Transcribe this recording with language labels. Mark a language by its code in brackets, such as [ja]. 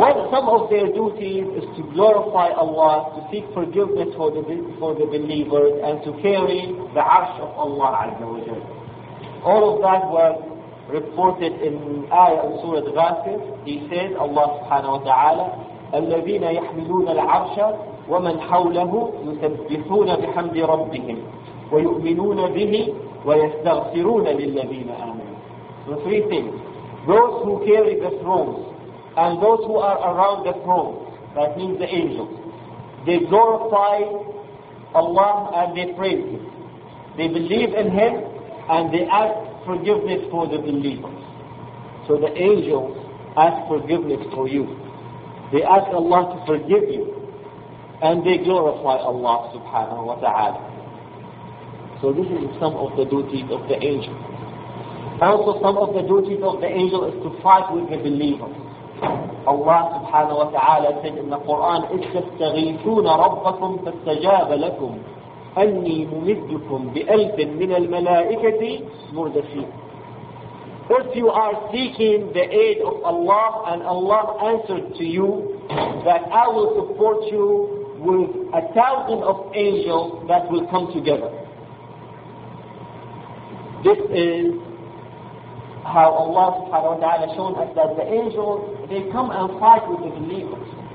[en] Some of their duties is to glorify Allah, to seek forgiveness for the believers, and to carry the arsh of Allah Azza wa Jalla. All of that was reported in ayah of Surah Ghafir. He said, Allah subhanahu wa ta'ala, [ar] الَّذِينَ يَحْمِلُونَ الْعَرْشَ وَمَنْ حَوْلَهُ يُسَبِّحُونَ بِحَمْدِ رَبِّهِمْ وَيُؤْمِنُونَ بِهِ وَيَسْتَغْفِرُونَ لِلَّذِينَ آمَنُوا. [en] The three things. Those who carry the thrones, and those who are around the throne, that means the angels, they glorify Allah and they praise Him. They believe in Him and they ask forgiveness for the believers. So the angels ask forgiveness for you. They ask Allah to forgive you. And they glorify Allah subhanahu wa ta'ala. So this is some of the duties of the angel. Also some of the duties of the angel is to fight with the believers. Allah subhanahu wa ta'ala said in the Quran, [ar] اِسْتَغِيثُونَ رَبَّكُمْ فَاسْتَجَابَ لَكُمْ أَنِّي مُمِدُّكُمْ بِأَلْفٍ مِنَ الْمَلَائِكَةِ مُرْدَفِينَ. [en] If you are seeking the aid of Allah and Allah answered to you that I will support you with 1,000 of angels that will come together. This is how Allah subhanahu wa ta'ala shown us that the angels, they come and fight with the believers.